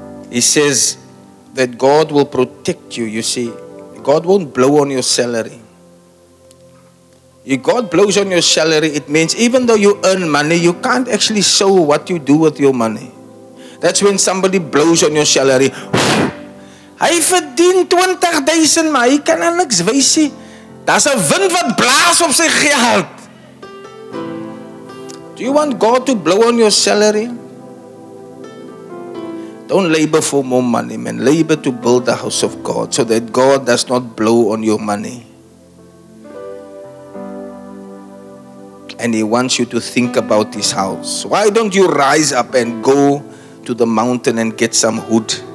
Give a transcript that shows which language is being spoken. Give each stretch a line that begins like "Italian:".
English: He says that God will protect you. You see, God won't blow on your salary. If God blows on your salary, it means even though you earn money, you can't actually sow what you do with your money. That's when somebody blows on your salary.
Afrikaans: Hy verdien 20,000, maar hy kan aan niks wees. Daar's 'n wind wat blaas op sy geld.
English: Do you want God to blow on your salary? Don't labor for more money, man. Labor to build the house of God so that God does not blow on your money. And he wants you to think about his house. Why don't you rise up and go to the mountain and get some wood?